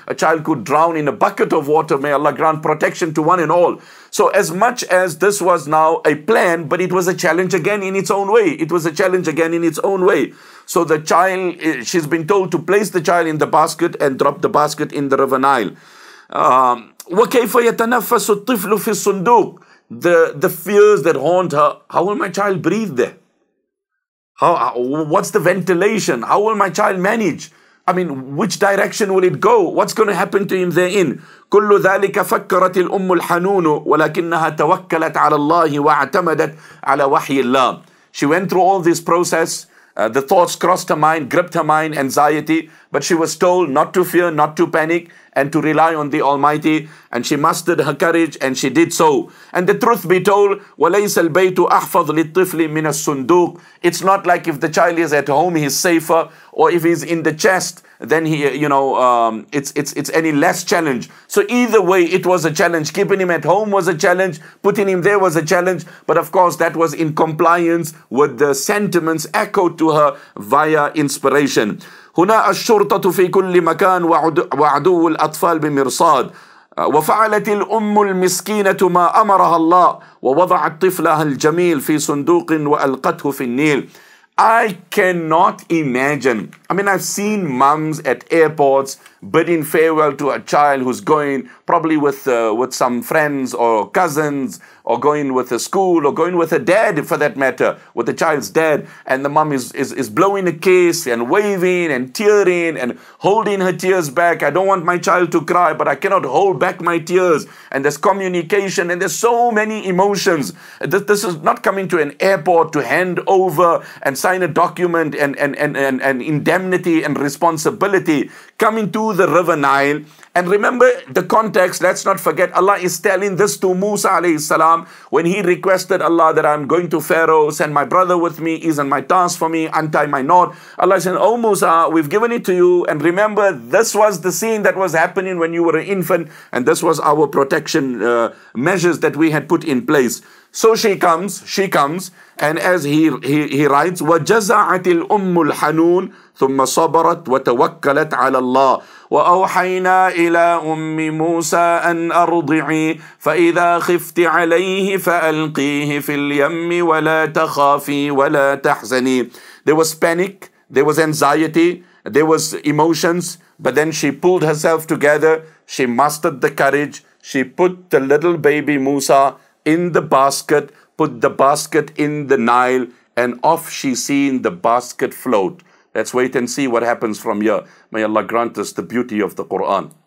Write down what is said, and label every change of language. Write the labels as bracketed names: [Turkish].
[English] A child could drown in a bucket of water. May Allah grant protection to one and all. So as much as this was now a plan, but it was a challenge again in its own way. It was a challenge again in its own way. So the child, she's been told to place the child in the basket and drop the basket in the River Nile. [Arabic] وَكَيْفَ يَتَنَفَّسُ الطِّفْلُ فِي الصُّنْدُوقِ. [English] The fears that haunt her. How will my child breathe there? What's the ventilation? How will my child manage? I mean, which direction will it go? What's going to happen to him therein? [Arabic] كُلُّ ذَلِكَ فَكَّرَتِ الْأُمُّ الْحَنُونُ وَلَكِنَّهَا تَوَكَّلَتْ عَلَى اللَّهِ وَاعْتَمَدَتْ عَلَى وَحْيِ اللَّهِ. [English] She went through all this process. The thoughts crossed her mind, gripped her mind, anxiety. But she was told not to fear, not to panic, and to rely on the Almighty. And she mustered her courage, and she did so. And the truth be told, [Arabic] وَلَيْسَ الْبَيْتُ أَحْفَظُ لِلطِّفْلِ مِنَ الصُّنْدُوقِ. [English] It's not like if the child is at home, he's safer. Or if he's in the chest, then he, you know, it's any less challenge. So either way, it was a challenge. Keeping him at home was a challenge. Putting him there was a challenge. But of course, that was in compliance with the sentiments echoed to her via inspiration. [Arabic] هنا الشرطة في كل مكان وعدو الأطفال بمرصاد وفعلت الأم المسكينة ما أمرها الله ووضعت طفلها الجميل في صندوق وألقته في النيل. [English] I cannot imagine. I mean, I've seen moms at airports bidding farewell to a child who's going probably with some friends or cousins or going with a school or going with a dad for that matter, with the child's dad. And the mom is blowing a kiss and waving and tearing and holding her tears back. I don't want my child to cry, but I cannot hold back my tears. And there's communication and there's so many emotions. This is not coming to an airport to hand over and sign a document and indemnity and responsibility. Coming to the River Nile. And remember the context, let's not forget, Allah is telling this to Musa alayhi salam when he requested Allah that I'm going to Pharaoh, send my brother with me, isn't my task for me, untie my knot. Allah said, oh Musa, we've given it to you. And remember, this was the scene that was happening when you were an infant. And this was our protection measures that we had put in place. So she comes. And as he writes, [Arabic] وَجَزَعَتِ الْأُمُّ الْحَنُونَ ثُمَّ صَبَرَتْ وَتَوَكَّلَتْ عَلَى اللَّهِ وَأَوْحَيْنَا إِلَىٰ أُمِّ مُوسَىٰ أَنْ أَرْضِعِي فَإِذَا خِفْتِ عَلَيْهِ فَأَلْقِيهِ فِي الْيَمِّ وَلَا تَخَافِي وَلَا تَحْزَنِي. [English] There was panic, there was anxiety, there was emotions, but then she pulled herself together, she mustered the courage, she put the little baby Musa in the basket, put the basket in the Nile, and off she seen the basket float. Let's wait and see what happens from here. May Allah grant us the beauty of the Quran.